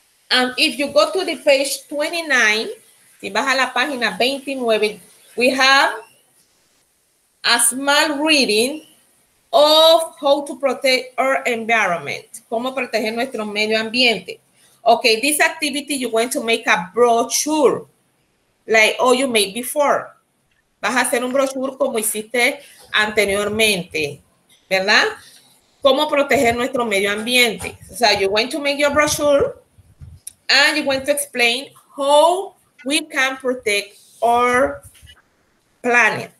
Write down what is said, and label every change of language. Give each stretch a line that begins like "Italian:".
English: And if you go to the page 29,
Spanish: si vas a la página 29,
English: we have a small reading of how to protect our environment.
Spanish: Cómo proteger nuestro medio ambiente.
English: Okay, this activity, you're going to make a brochure like all you made before.
Spanish: Vas a hacer un brochure como hiciste anteriormente, ¿verdad? Cómo proteger nuestro medio ambiente.
English: So, you're going to make your brochure and you're going to explain how we can protect our planet.